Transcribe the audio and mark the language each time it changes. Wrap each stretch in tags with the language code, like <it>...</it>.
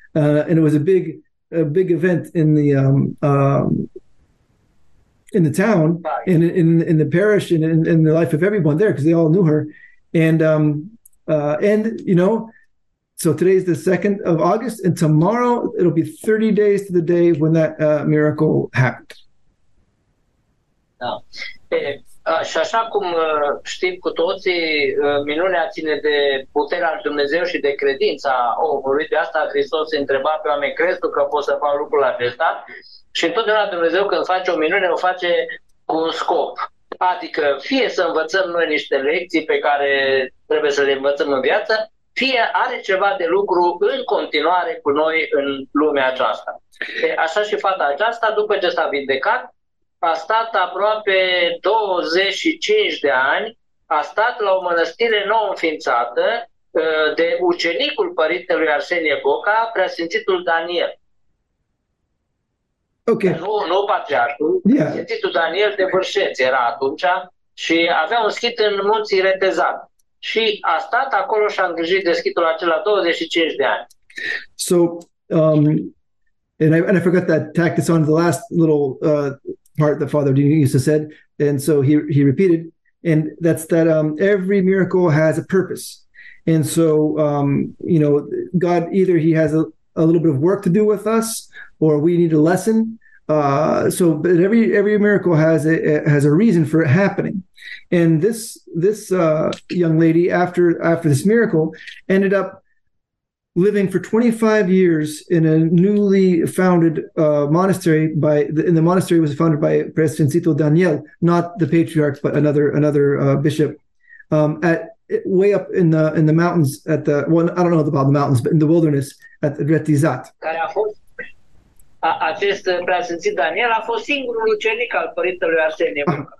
<en>And it was a big event in the in the town, in the parish, and in the life of everyone there, because they all knew her. And so today's the 2nd of August, and tomorrow it'll be 30 days to the day when that miracle happened.</en> <ro>Da. Și așa cum știm cu toții, minunea ține de puterea lui Dumnezeu și de credința omului. De asta Hristos se întreba pe oameni, crezi tu că poți să faci lucrul acesta? Și întotdeauna Dumnezeu când face o minune, o face cu un scop. Adică fie să învățăm noi niște lecții pe care trebuie să le învățăm în viață, fie are ceva de lucru în continuare cu noi în lumea aceasta. Așa și fata aceasta, după ce s-a vindecat, a stat aproape 25 de ani, a stat la o mănăstire nouă înființată de ucenicul părintelui Arsenie Boca, preasfințitul Daniel.</ro> <en>Okay.</en> <ro>Nu patriarhul, preasfințitul Daniel de Vârșeț era atunci și avea un schit în munții Retezat. Și a stat acolo și a îngrijit de schitul acela 25 de ani.</ro> <en>So, and I forgot to tack this on to the last little part that Father Dionysia said, and so he repeated, and that's that every miracle has a purpose, and so God, either he has a little bit of work to do with us, or we need a lesson. But every miracle has a reason for it happening, and this young lady after this miracle ended up living for 25 years in a newly founded monastery. The monastery was founded by Preasfințitul Daniel, not the patriarch, but another bishop, way up in the mountains at the, well, I don't know about the mountains, but in the wilderness at the Retezat.</en> <ro>Acest Preasfințit Daniel a fost singurul ucenic al părintelui Arsenie Boca.</ro>